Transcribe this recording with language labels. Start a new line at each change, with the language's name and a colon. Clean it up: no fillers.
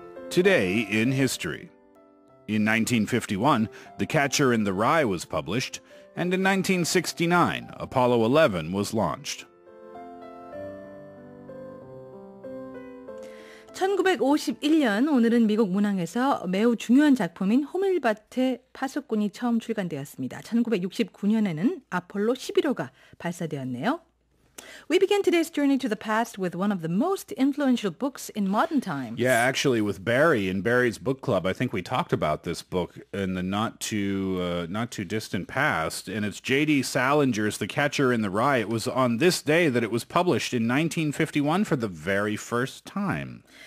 English: Today in History. In 1951, The Catcher in the Rye was published, and in 1969, Apollo 11 was launched.
Korean: 1951년 오늘은 미국 문항에서 매우 중요한 작품인 호밀밭의 파수꾼이 처음 출간되었습니다. 1969년에는 아폴로 11호가 발사되었네요.
English: We begin today's journey to the past with one of the most influential books in modern times. Yeah, actually, with Barry in Barry's book club, I think we talked about this book in the not too distant past, and it's J.D. Salinger's The Catcher in the Rye. It was on this day that it was published in 1951 for the very first time.